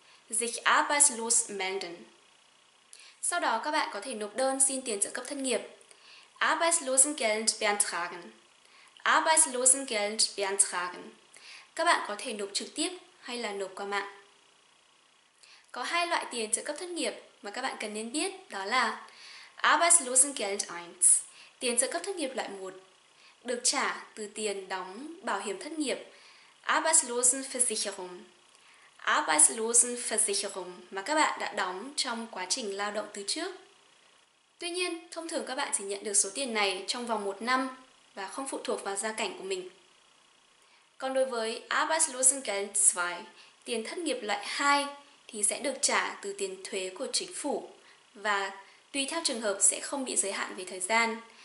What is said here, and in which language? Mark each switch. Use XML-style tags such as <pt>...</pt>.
<de>Sich arbeitslos melden.</de> <vi>Sau đó các bạn có thể nộp đơn xin tiền trợ cấp thất nghiệp.</vi> <de>Arbeitslosengeld beantragen.</de> <vi>Các bạn có thể nộp trực tiếp hay là nộp qua mạng. Có hai loại tiền trợ cấp thất nghiệp mà các bạn cần nên biết, đó là</vi> <de>Arbeitslosengeld 1,</de> <vi>tiền trợ cấp thất nghiệp loại 1, được trả từ tiền đóng bảo hiểm thất nghiệp</vi> <de>Arbeitslosenversicherung</de> <vi>mà các bạn đã đóng trong quá trình lao động từ trước. Tuy nhiên, thông thường các bạn chỉ nhận được số tiền này trong vòng 1 năm và không phụ thuộc vào gia cảnh của mình. Còn đối với Arbeitslosengeld 2, tiền thất nghiệp loại 2, thì sẽ được trả từ tiền thuế của chính phủ và tùy theo trường hợp sẽ không bị giới hạn về thời gian.</vi>